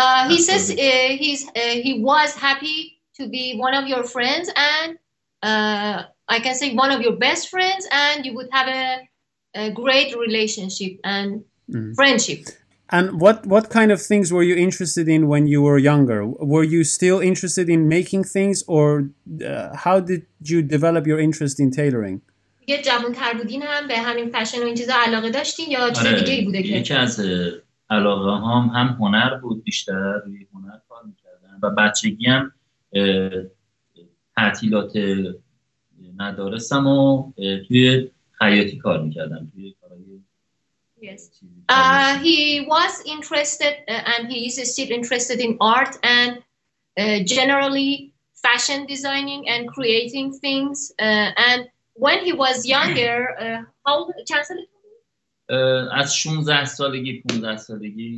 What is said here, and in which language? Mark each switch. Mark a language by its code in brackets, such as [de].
[en] He says he was happy to be one of your friends and I can say one of your best friends and you would have a great relationship and friendship. And what kind of things were you interested in when you were younger? Were you still interested in making things or how did you develop your interest in tailoring? [fa] یه جوان‌تر بودین هم به همین فشن و این چیزا علاقه داشتین یا چیز دیگه‌ای بوده که؟ یکی از علاقه‌هام هم هنر بود، بیشتر روی هنر کار می‌کردم و بچگی هم تعطیلات مدارسم و توی خیاطی کار می‌کردم، توی کارهای [en] Yes. He was interested and he is still interested in art and generally fashion designing and creating things. And when he was younger, how old? [fa] از 16 سالگی 15 سالگی.